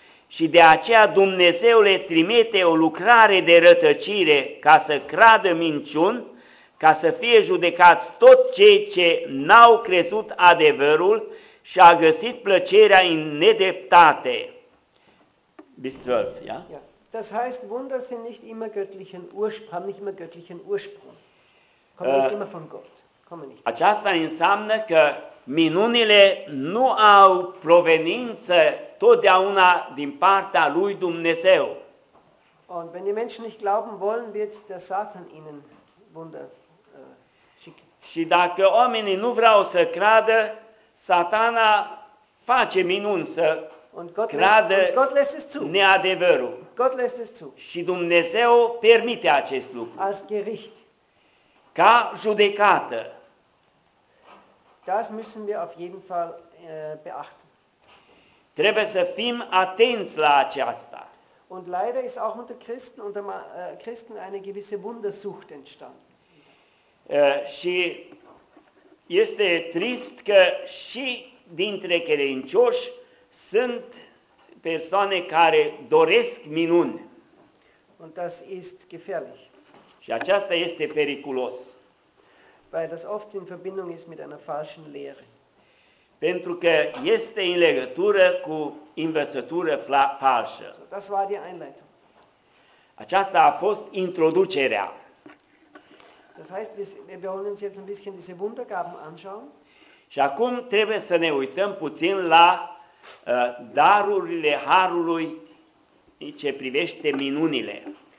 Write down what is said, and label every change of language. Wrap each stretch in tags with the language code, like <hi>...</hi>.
<ro>și de aceea Dumnezeu le trimite o lucrare de rătăcire ca să creadă minciun, ca să fie judecați tot cei ce n-au crezut adevărul și a găsit plăcerea în nedreptate. 12,</ro> <de>ja? Yeah. Das heißt, Wunder sind nicht immer göttlichen Ursprung, haben nicht immer göttlichen Ursprung. Kommen nicht immer von Gott. Kommen nicht.</de> <ro>Aceasta înseamnă că minunile nu au proveniență totdeauna din partea lui Dumnezeu.</ro> <de>Und wenn die Menschen nicht glauben wollen, wird der Satan ihnen Wunder schicken.</de> <ro>Și dacă oamenii nu vreau să creadă, Satana face minuni să creadă neadevărul.</ro> <de>Gott lässt es zu.</de> <ro>Și Dumnezeu permite acest lucru.</ro> <de>Als Gericht.</de> <ro>Ca judecată.</ro> <de>Das müssen wir auf jeden Fall beachten.</de> <ro>Trebuie să fim atenți la aceasta.</ro> <de>Und leider ist auch unter Christen Christen eine gewisse Wundersucht entstanden.</de> <ro>Și este trist că și dintre credincioși sunt persoane care doresc minuni.</ro> <de>Und das ist gefährlich.</de> <ro>Și aceasta este periculos.</ro> <de>Weil das oft in Verbindung ist mit einer falschen Lehre.</de> <ro>Pentru că este în legătură cu învățătură falsă.</ro> <de>So, das war die Einleitung.</de> <ro>Aceasta a fost introducerea.</ro> <de>Das heißt, wir wollen uns jetzt ein bisschen diese Wundergaben anschauen.</de> <ro>Și acum trebuie să ne uităm puțin la darurile harului ce privește minunile.</ro>